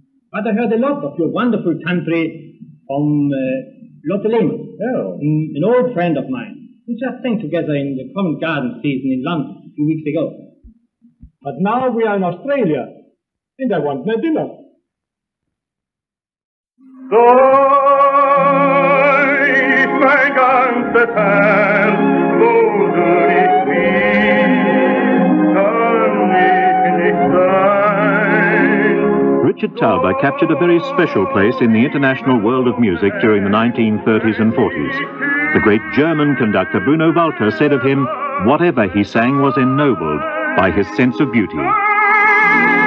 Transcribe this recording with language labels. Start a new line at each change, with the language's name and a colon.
English: But I heard a lot of your wonderful country from Lotte Lehmann. Oh. An old friend of mine. We just sang together in the Covent Garden season in London a few weeks ago. But now we are in Australia, and I want my dinner.
German: Soll mein ganzes Herz so glücklich sein, kann ich nicht sein.
English: Richard Tauber captured a very special place in the international world of music during the 1930s and 40s. The great German conductor Bruno Walter said of him, whatever he sang was ennobled by his sense of beauty.